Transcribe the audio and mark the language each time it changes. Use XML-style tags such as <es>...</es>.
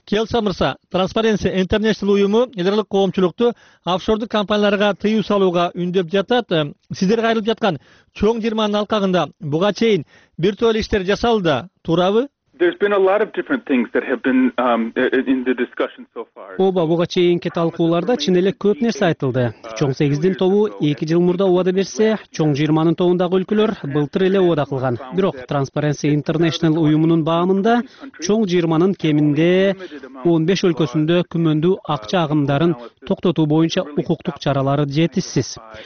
<ky>Келса мырса, Transparency International уюму эл аралык коомчулукту офшордук компанияларга тыюу салууга үндөп жатат. Сиздер кайрылып жаткан чоң жырманын алкагында буга чейин бир тоол иштер жасалды, туурабы?</ky> <en>There's been a lot of different things that have been in the discussion so far.</en> <ky>Ооба, буга чейинки талкууларда чын эле көп нерсе айтылды. Чоң 8дин тобу 2 жыл мурда убада берсе, чоң 20нын тобундагы өлкөлөр былтыр эле убада кылган. Бирок Transparency International уюмунун баамында чоң 20нын кеминде 15 өлкөсүндө күмөндүү акча агымдарын токтотуу боюнча укуктук чаралары жетишсиз.</ky>